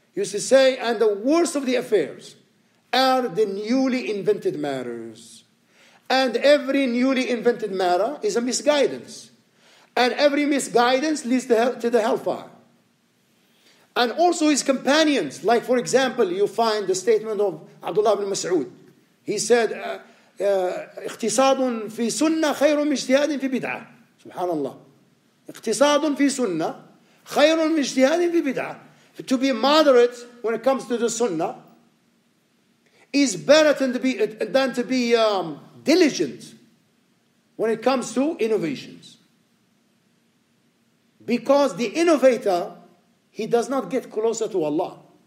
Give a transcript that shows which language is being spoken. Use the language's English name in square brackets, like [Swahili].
[English] He used to say, and the worst of the affairs are the newly invented matters. And every newly invented matter is a misguidance. And every misguidance leads to the hellfire. And also his companions, like for example, you find the statement of Abdullah ibn Mas'ud. He said, [Arabic] اقتصاد في سنة خير من اجتهاد في بدعة. [English] Subhanallah. [Arabic] اقتصاد في سنة خير من اجتهاد في بدعة. [English] To be moderate when it comes to the sunnah is better than to be diligent when it comes to innovations. Because the innovator, he does not get closer to Allah.